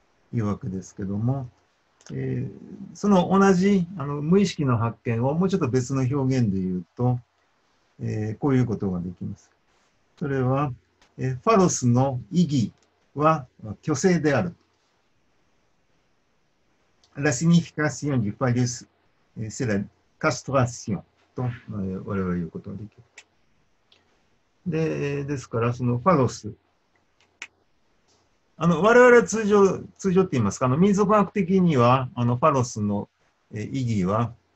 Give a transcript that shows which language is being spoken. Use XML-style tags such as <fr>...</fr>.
<ja>というわけですけども、その同じ無意識の発見をもうちょっと別の表現で言うと、こういうことができます。それは、ファロスの意義は虚勢である。</ja> <fr>La signification du phallus c'est la castration</fr> <ja>と、我々は言うことができる。ですからそのファロス、我々は通常って言いますか、民族学的には、ファロスの意義は、</ja>